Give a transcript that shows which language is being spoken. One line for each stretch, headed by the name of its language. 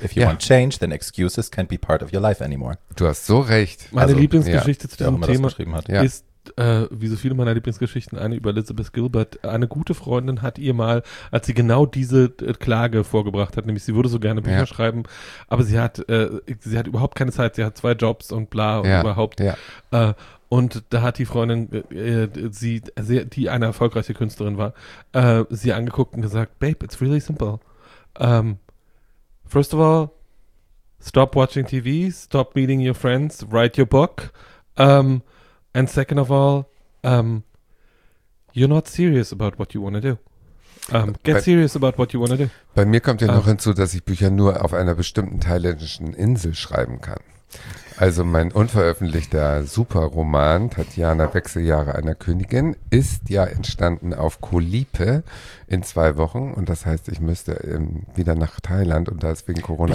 English: If you want change, then excuses can't be part of your life anymore.
German: Du hast so recht. Meine also, Lieblingsgeschichte zu diesem Thema ist, wie so viele meiner Lieblingsgeschichten, eine über Elizabeth Gilbert. Eine gute Freundin hat ihr mal, als sie genau diese Klage vorgebracht hat, nämlich sie würde so gerne Bücher schreiben, aber sie hat überhaupt keine Zeit, sie hat zwei Jobs und bla und überhaupt. Ja. Und da hat die Freundin, die eine erfolgreiche Künstlerin war, sie angeguckt und gesagt, Babe, it's really simple.
English: First of all, stop watching TV, stop meeting your friends, write your book. And second of all, you're not serious about what you want to do. Serious about what you want to do.
German: Bei mir kommt ja noch hinzu, dass ich Bücher nur auf einer bestimmten thailändischen Insel schreiben kann. Also mein unveröffentlichter Superroman Tatjana Wechseljahre einer Königin ist ja entstanden auf Koh Lipe in 2 Wochen und das heißt, ich müsste wieder nach Thailand und da ist wegen Corona.